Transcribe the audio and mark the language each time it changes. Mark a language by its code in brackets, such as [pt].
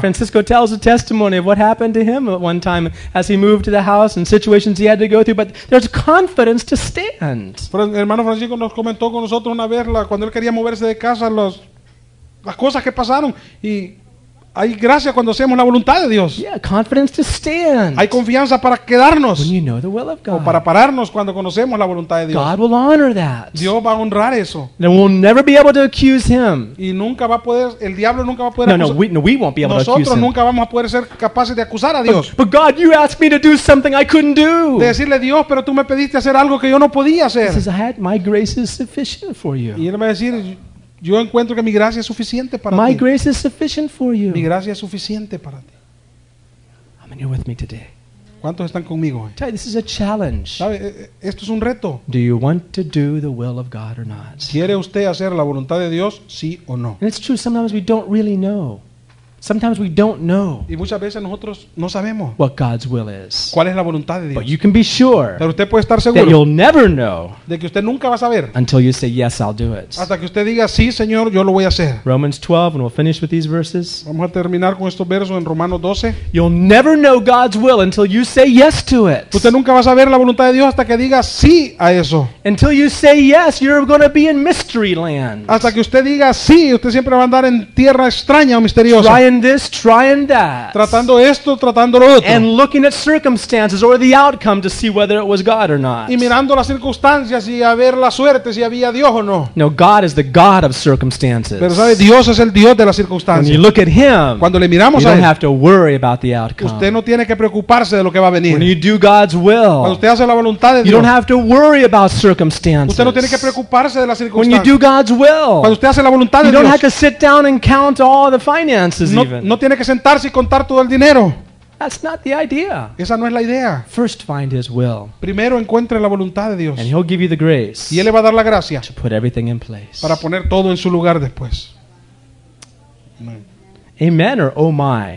[en] Francisco tells a testimony of what happened to him at one time as he moved to the house and situations he had to go through, but there's confidence to stand. [es] Hermano Francisco nos comentó con nosotros una vez cuando él quería moverse de casa las cosas que pasaron y Hay gracia cuando hacemos la voluntad de Dios. [en] Yeah, confidence to stand. [es] Hay confianza para quedarnos. [en] When you know the will of God. [es] O para pararnos cuando conocemos la voluntad de Dios. [en] God will honor that. [es] Dios va a honrar eso. [en] And we'll never be able to accuse him. [es] Y nunca va a poder, el diablo nunca va a poder acusar. [en] No, we won't be able [es] nosotros [en] to accuse [es] nunca [en] him. [es] Vamos a poder ser capaces de acusar a Dios. [en] But God, you asked me to do something I couldn't do. [es] De decirle Dios, pero tú me pediste hacer algo que yo no podía hacer. [en] He says, I had, my grace is sufficient for you. [es] Y él me va a decir, yo encuentro que mi gracia es suficiente para [en] my [es] ti. [en] Grace is sufficient for you. [es] Mi gracia es suficiente para ti. [en] I'm in here with me today. [es] ¿Cuántos están conmigo hoy? [en] Tell you, this is a challenge. [es] ¿Sabe? Esto es un reto. [en] Do you want to do the will of God or not? [es] ¿Quiere usted hacer la voluntad de Dios, sí o no? [en] And it's true, sometimes we don't really know. Sometimes we don't know. [es] Y muchas veces nosotros no sabemos. [en] What God's will is. [es] ¿Cuál es la voluntad de Dios? [en] But you can be sure. [es] Pero usted puede estar seguro. [en] That you'll never know. [es] De que usted nunca va a saber. [en] Until you say yes, I'll do it. [es] Hasta que usted diga sí, Señor, yo lo voy a hacer. [en] Romans 12, and we'll finish with these verses. [es] Vamos a terminar con estos versos en Romanos 12. [en] You'll never know God's will until you say yes to it. [es] Usted nunca va a saber la voluntad de Dios hasta que diga sí a eso. [en] Until you say yes, you're going to be in mystery land. [es] Hasta que usted diga sí, usted siempre va a andar en tierra extraña o misteriosa. [en] This, trying that. [es] Tratando esto, tratando lo otro. [en] And looking at circumstances or the outcome to see whether it was God or not. [es] Y mirando las circunstancias y a ver la suerte si había Dios o no. [en] No, God is the God of circumstances. [es] Pero sabe, Dios es el Dios de las circunstancias. [en] When you look at him, [es] cuando le miramos [en] you [es] a [en] don't [es] él, [en] have to worry about the outcome. [es] Usted no tiene que preocuparse de lo que va a venir. [en] When you do God's will, [es] cuando usted hace la voluntad de Dios, [en] you don't have to worry about circumstances. [es] Usted no tiene que preocuparse de las circunstancias. [en] When you do God's will, [es] cuando usted hace la voluntad de [en] you [es] Dios, [en] don't have to sit down and count all the finances. [es] No tiene que sentarse y contar todo el dinero. [en] That's not the idea. [es] Esa no es la idea. [en] First find his will. [es] Primero encuentre la voluntad de Dios. [en] And he'll give you the grace. [es] Y él le va a dar la gracia. [en] To put everything in place. [es] Para poner todo en su lugar después. [en] Amen or oh my.